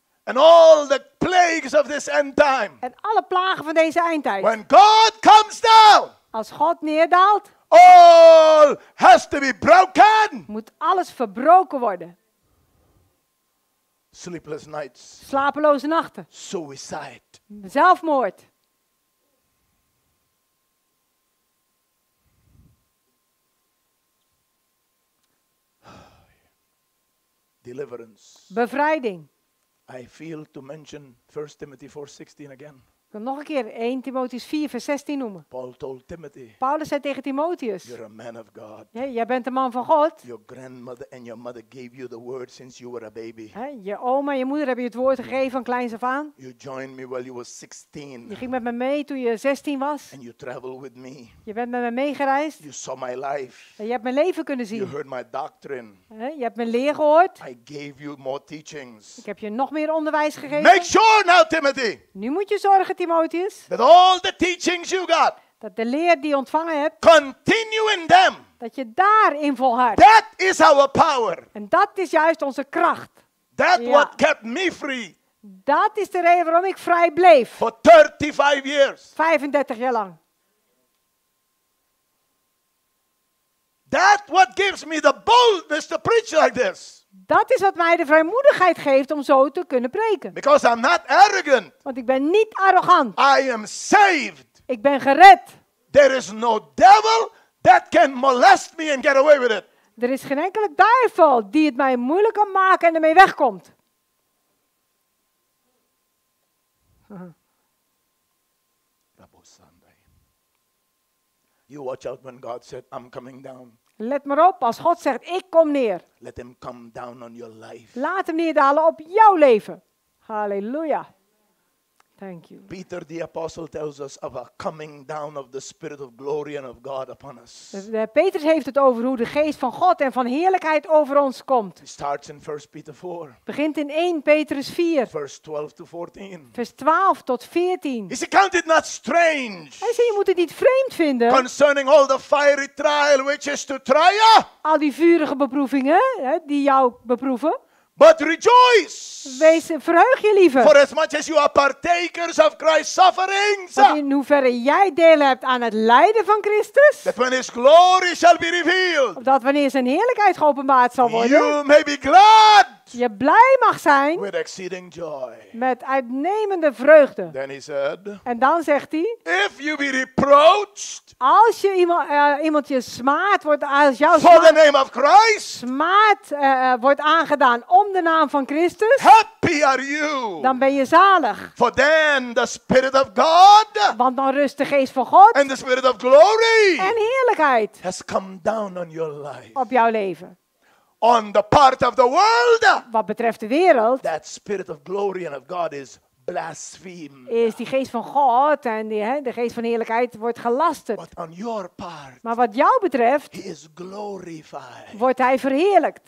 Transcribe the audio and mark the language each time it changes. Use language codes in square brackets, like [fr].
[en] And all the plagues of this end time. [nl] En alle plagen van deze eindtijd. [en] When God comes down. [nl] Als God neerdaalt. [en] All has to be broken. [nl] Moet alles verbroken worden. [en] Sleepless nights. [nl] Slapeloze nachten. [en] Suicide. [nl] Zelfmoord. [en] Deliverance. [nl] Bevrijding. [en] I feel to mention 1 Timothy 4, 16 again. [nl] Ik wil nog een keer 1 Timotheus 4, vers 16 noemen. [en] Paul told Timothy, [nl] Paulus zei tegen Timotheus. [en] You're a man of God. [nl] Jij bent een man van God. [en] Your grandmother and your mother gave you the word since you were a baby. [nl] Je oma en je moeder hebben je het woord gegeven van kleins af aan. [en] You joined me while you were 16. [nl] Je ging met me mee toen je 16 was. [en] And you traveled with me. [nl] Je bent met me meegereisd. [en] You saw my life. [nl] En je hebt mijn leven kunnen zien. [en] You heard my doctrine. [nl] Je hebt mijn leer gehoord. [en] I gave you more teachings. [nl] Ik heb je nog meer onderwijs gegeven. [en] Make sure now, Timothy. [nl] Nu moet je zorgen, Timotheus. [en] That all the teachings you got. [nl] Dat de leer die je ontvangen hebt. [en] Continue in them. [nl] Dat je daarin volhardt. [en] That is our power. [nl] En dat is juist onze kracht. [en] That what kept me free. [nl] Dat is de reden waarom ik vrij bleef. [en] For 35 years. [nl] 35 jaar lang. [en] That what gives me the boldness to preach like this. [nl] Dat is wat mij de vrijmoedigheid geeft om zo te kunnen preken. [en] Because I'm not arrogant. [nl] Want ik ben niet arrogant. [en] I am saved. [nl] Ik ben gered. [en] There is no devil that can molest me and get away with it. [nl] Er is geen enkele duivel die het mij moeilijk kan maken en ermee wegkomt. [en] You watch out when God said, I'm coming down. [nl] Let maar op, als God zegt, ik kom neer. [en] Let him come down on your life. [nl] Laat hem neerdalen op jouw leven. [en] Halleluja. Thank you. Peter the apostle tells us of a coming down of the spirit of glory and of God upon us. [nl] Petrus heeft het over hoe de geest van God en van heerlijkheid over ons komt. [en] It starts in 1 Peter 4. [nl] Begint in 1 Petrus 4. [en] Verse 12 to 14. [nl] Vers 12 tot 14. [en] He said, count it not strange. [nl] Hij zei, je moet het niet vreemd vinden. [en] Concerning all the fiery trial which is to try you. [nl] Al die vurige beproevingen die jou beproeven. [en] But rejoice. [nl] Wees verheug je liever. [en] For as much as you are partakers of Christ's sufferings. [nl] Want in hoeverre jij deel hebt aan het lijden van Christus. [en] That when his glory shall be revealed. [nl] Dat wanneer zijn heerlijkheid geopenbaard zal worden. [en] You may be glad. [nl] Je blij mag zijn. [en] With exceeding joy. [nl] Met uitnemende vreugde. [en] Then he said. [nl] En dan zegt hij. [en] If you be reproached. [nl] Als je iemand je smaad wordt. Als jouw [en] smaad, for the name of Christ. [nl] Smaad wordt aangedaan. Om de naam van Christus. [en] Happy are you. [nl] Dan ben je zalig. [en] For then the spirit of God. [nl] Want dan rust de geest van God. [en] And the spirit of glory. [nl] En heerlijkheid. [en] Has come down on your life. [nl] Op jouw leven. [en] On the part of the world. [nl] Wat betreft de wereld. [en] That spirit of glory and of God is blasphemed. [nl] Is die geest van God en de geest van heerlijkheid wordt gelasterd. [en] But on your part. [nl] Maar wat jou betreft. [en] He is glorified. [nl] Wordt hij verheerlijkt.